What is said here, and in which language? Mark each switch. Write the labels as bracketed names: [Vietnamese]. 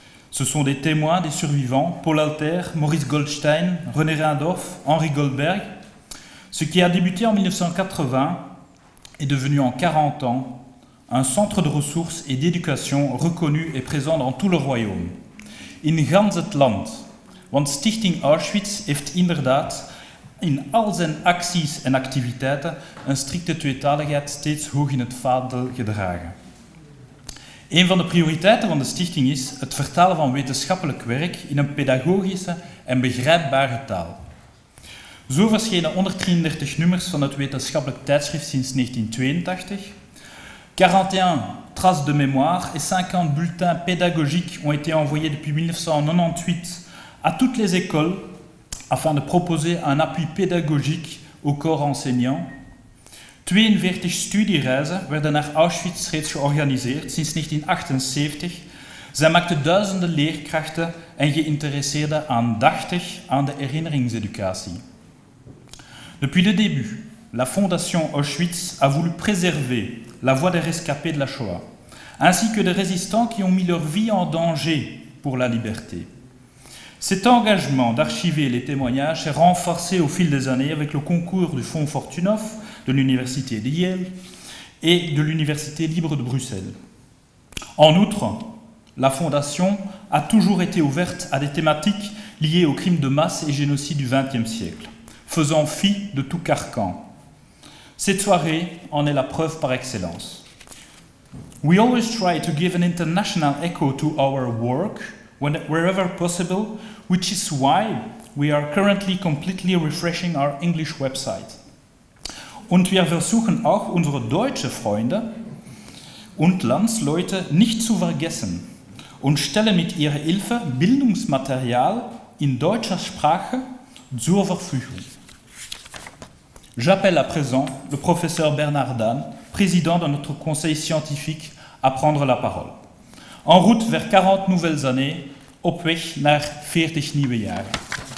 [French] Ce sont des témoins, des survivants, Paul Alter, Maurice Goldstein, René Rindorf, Henri Goldberg. Ce qui a débuté en 1980 est devenu en 40 ans un centre de ressources et d'éducation reconnu et présent dans tout le royaume. [Dutch] In ganzet Land, want Stichting Auschwitz heeft inderdaad in al zijn acties en activiteiten een strikte tweetaligheid steeds hoog in het vaandel gedragen. Een van de prioriteiten van de stichting is het vertalen van wetenschappelijk werk in een pedagogische en begrijpbare taal. Zo verschenen 133 nummers van het wetenschappelijk tijdschrift sinds 1982. [French] 41 traces de mémoire et 50 bulletins pédagogiques ont été envoyés depuis 1998 à toutes les écoles afin de proposer un appui pédagogique au corps enseignant. [Dutch] 42 studiereizen werden naar Auschwitz reeds georganiseerd sinds 1978. Zij maakten duizenden leerkrachten en geïnteresseerden aandachtig aan de herinneringseducatie. [French] Depuis le début, la Fondation Auschwitz a voulu préserver la voie des rescapés de la Shoah, ainsi que des résistants qui ont mis leur vie en danger pour la liberté. Cet engagement d'archiver les témoignages s'est renforcé au fil des années avec le concours du Fonds Fortunoff, de l'Université de Yale et de l'Université libre de Bruxelles. En outre, la Fondation a toujours été ouverte à des thématiques liées aux crimes de masse et génocide du XXe siècle, faisant fi de tout carcan. Cette soirée en est la preuve par excellence. [English] We always try to give an international echo to our work wherever possible, which is why we are currently completely refreshing our English website. [German] Und wir versuchen auch unsere deutsche Freunde und Landsleute nicht zu vergessen und stellen mit ihrer Hilfe Bildungsmaterial in deutscher Sprache zur Verfügung. [French] J'appelle à présent le professeur Bernard Dan, président de notre conseil scientifique, à prendre la parole. En route vers 40 nouvelles années, [Dutch] op weg naar 40 nieuwe jaren.